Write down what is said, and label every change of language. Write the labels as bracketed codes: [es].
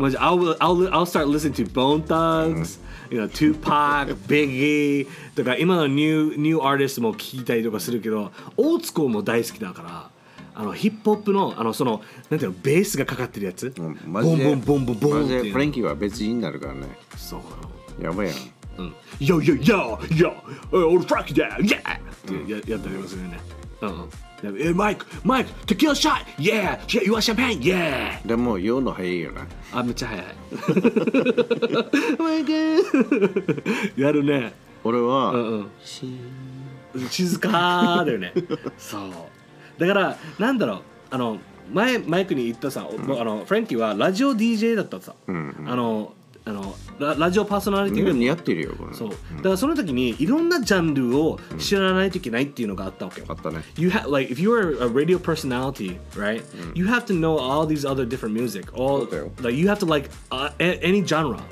[ja] マジ [en] I'll start listening to Bone Thugs、 You know, [ja] Tupac, Biggie とか今のニューアーティストも聴いたりとかするけどオーツコーも大好きだからヒップホップのそのなんていうのベースがかかってるやつマジでボンボンボンボンボンマジでフランキーは別人になるからねそうやばいやん [en] Yo, yo, yo, yo, old Frank there, yeah! [ja] ってやったりもするよね。 [en] Mike, tequila shot, yeah! You want champagne, yeah! [ja] でも、酔うの早いよな。あ、めっちゃ早い。Mike! やるね。俺は、静かだよね。そう。だから、なんだろう。前、マイクに言ったさ、フランキーはラジオ DJ だったさ。ラジオパーソナリティが似合ってるよこれそうだからその時にいろんなジャンルを知らないといけないっていうのがあったわけよあったね [en] you have, like, If you are a radio personality, right?、You have to know all these other different music all, like, You have to like、any genre